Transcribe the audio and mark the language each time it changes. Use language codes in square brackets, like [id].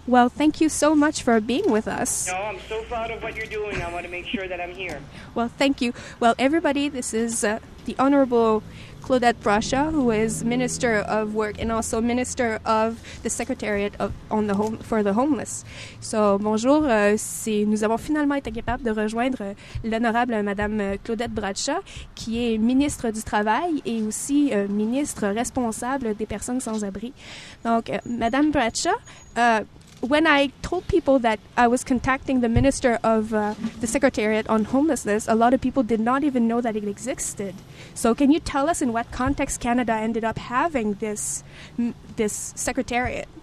[en] Well, thank you so much for being with us. No, I'm so proud of what you're doing. I want to make sure that I'm here. Well, thank you. Well, everybody, this is the Honorable Claudette Bracha, who is Minister of Work and also Minister of the Secretariat for the Homeless. [fr] So, bonjour, nous avons finalement été capables de rejoindre l'honorable Madame Claudette Bracha, qui est ministre du Travail et aussi ministre responsable des personnes sans-abri. [en] Donc, Madame Bracha, when I told people that I was contacting the Minister of the Secretariat on Homelessness, a lot of people did not even know that it existed. So can you tell us in what context Canada ended up having this Secretariat?